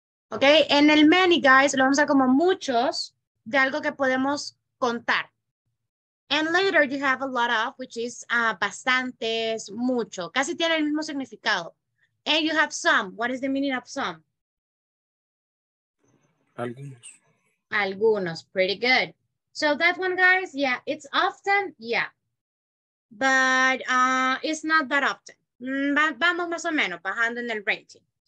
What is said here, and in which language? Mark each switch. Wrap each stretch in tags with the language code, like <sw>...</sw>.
<es>Ok, en el many, guys, lo vamos a usar como muchos de algo que podemos contar.</es> <en>And later you have a lot of, which is</en> <es>bastantes, mucho. Casi tiene el mismo significado.</es> <en>And you have some. What is the meaning of some?</en> <es>Algunos. Algunos,</es> <en>pretty good. So that one, guys, yeah, it's often, yeah. But it's not that often.</en> <es>Vamos más o menos bajando en el rating.</es>